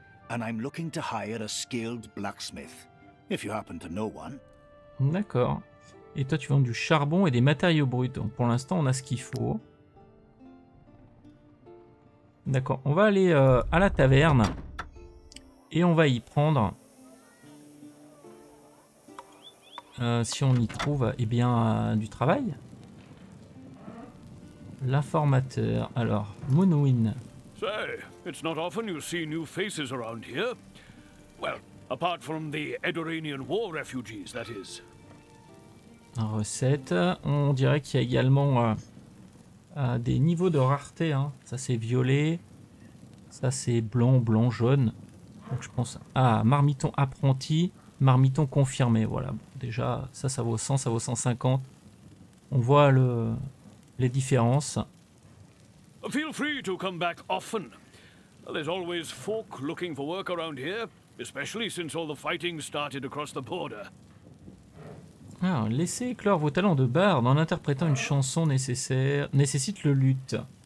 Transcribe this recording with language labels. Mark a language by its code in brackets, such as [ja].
[en] And I'm looking to hire a skilled blacksmith, if you happen to know one. [fr] D'accord. Et toi, tu vends du charbon et des matériaux bruts. Donc, pour l'instant, on a ce qu'il faut. D'accord. On va aller à la taverne. Et on va y prendre... si on y trouve, eh bien, du travail. L'informateur. Alors, Monowin. [en] Say, it's not often you see new faces around here. Well, apart from the Edoranian war refugees, that is. [fr] Recette. On dirait qu'il y a également des niveaux de rareté. Hein. Ça, c'est violet. Ça, c'est blanc, jaune. Donc, je pense à marmiton apprenti, marmiton confirmé. Voilà. Déjà, ça vaut 100, ça vaut 150. On voit les différences. [en] Feel free to come back often. There's always folk looking for work around here, especially since all the fighting started across the border. [fr] Ah, laissez éclore vos talents de barde en interprétant une chanson nécessite le luth.